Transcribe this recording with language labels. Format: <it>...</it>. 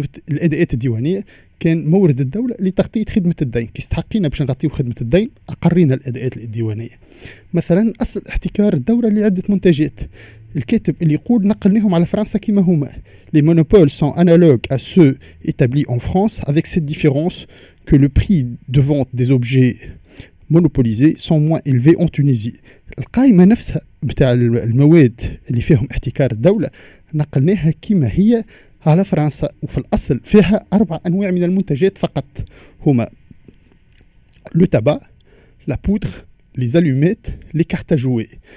<ar>الأدوات الديوانية كان مورد الدولة لتغطيه خدمة الدين، كيستحقينا باش نغطيه خدمة الدين أقرينا الأدوات الديوانية. مثلا أصل احتكار الدولة لعدة منتجات، الكاتب اللي يقول نقلناهم على فرنسا كما هما.</ar> <fr>Les monopoles sont analogues à ceux établis en France avec cette différence que le prix de vente des objets monopolisés sont moins élevés en Tunisie.</fr> <ar>القائمة نفسها بتاع المواد اللي فيهم احتكار الدولة نقلناها كما هي على فرنسا، وفي الأصل فيها أربع أنواع من المنتجات فقط، هما لو تابا، لا بودغ، لي زاليميت، لي كارت جوي.</ar>